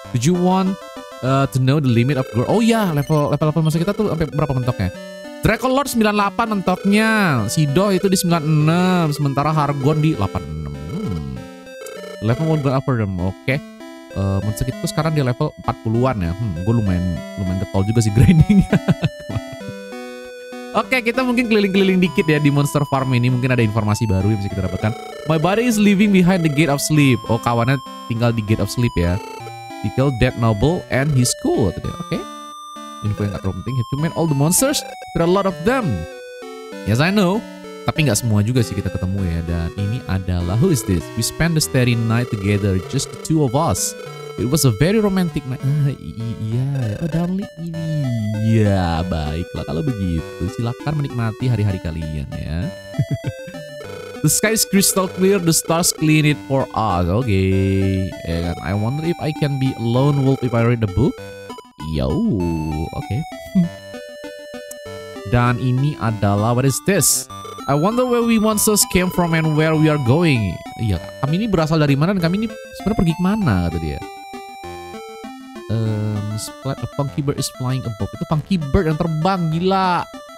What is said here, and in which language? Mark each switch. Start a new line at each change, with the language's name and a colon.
English: Did you want to know the limit of growth?
Indonesian: Oh ya, level monster kita tuh sampai berapa mentoknya? Dracolord 98 mentoknya. Sido itu di 96, sementara Hargon di 86.
English: Level won't grow up for them.
Indonesian: Oke. Monster kita tuh sekarang di level 40-an ya. Gue lumayan getol juga sih grindingnya. Oke, kita mungkin keliling-keliling dikit ya di Monster Farm ini. Mungkin ada informasi baru yang bisa kita dapatkan.
English: My body is living behind the gate of sleep.
Indonesian: Oh, kawannya tinggal di
English: gate of sleep ya. He killed dead noble and his school. Oke.
Indonesian: Info yang gak terlalu penting.
English: Have you met all the monsters? There are a lot of them. Yes, I know.
Indonesian: Tapi gak semua juga sih kita ketemu ya. Dan ini adalah,
English: who is this? We spent the starry night together, just the two of us. It was a very romantic night.
Indonesian: Iya,
English: darling.
Indonesian: Iya, baiklah. Kalau begitu, silakan menikmati hari-hari kalian ya.
English: The sky is crystal clear. The stars clean it for us. Okay. And I wonder if I can be a lone wolf if I read the book. Yo, okay.
Indonesian: Dan ini adalah,
English: what is this? I wonder where we monsters came from and where we are going.
Indonesian: Iya, kami ini berasal dari mana dan kami ini sebenarnya pergi ke mana, kata dia.
English: Splat, a funky bird is flying above.
Indonesian: Itu funky bird yang terbang, gila.